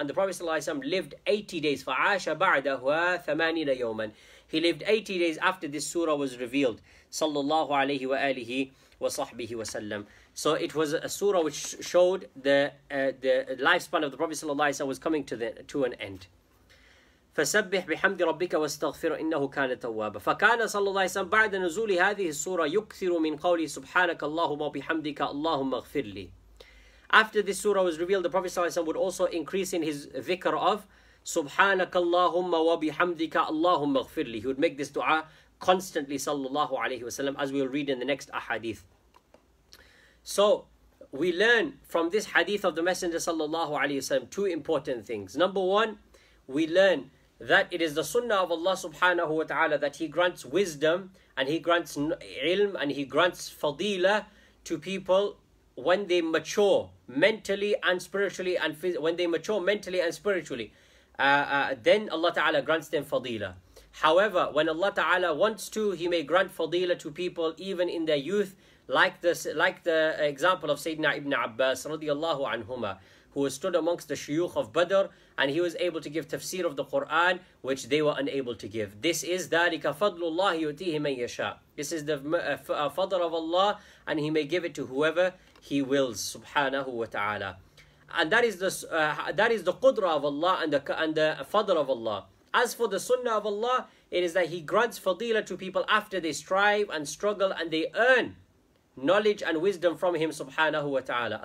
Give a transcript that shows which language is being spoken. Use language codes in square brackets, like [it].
[en] And the Prophet sallallahu alaihi wasallam lived 80 days. [ar] Fa'asha ba'dahuha 80 yawman. [en] He lived 80 days after this surah was revealed, sallallahu alaihi wa alihi wa sahbihi wa sallam. So it was a surah which showed the lifespan of the Prophet sallallahu alaihi wasallam was coming to an end. [ar] فسبح بحمد ربك واستغفر إنه كان توابا. فكان صلى الله عليه وسلم بعد نزول هذه السورة يكثر من قوله سبحانك اللهم وبحمدك اللهم اغفر لي. [en] After this surah was revealed, the Prophet صلى الله عليه وسلم would also increase in his ذكر of [ar] سبحانك اللهم وبحمدك اللهم اغفر لي. [en] He would make this dua constantly, صلى الله عليه وسلم, as we will read in the next ahadith. So we learn from this hadith of the Messenger صلى الله عليه وسلم two important things. Number one, we learn that it is the sunnah of Allah subhanahu wa ta'ala that He grants wisdom and He grants ilm and He grants fadila to people when they mature mentally and spiritually, and when they mature mentally and spiritually, then Allah ta'ala grants them fadila. However, when Allah ta'ala wants to, He may grant fadila to people even in their youth, like the example of Sayyidina Ibn Abbas radiallahu anhuma, who stood amongst the shuyukh of Badr, and he was able to give tafsir of the Quran, which they were unable to give. This is [ar] ذَلِكَ فَضْلُ اللَّهِ يُؤْتِيهِ مَنْ يَشَاءُ. [en] This is the fadl of Allah, and He may give it to whoever He wills, subhanahu wa ta'ala. And that is the qudra of Allah and the fadl of Allah. As for the sunnah of Allah, it is that He grants fadila to people after they strive and struggle and they earn knowledge and wisdom from Him, subhanahu wa ta'ala.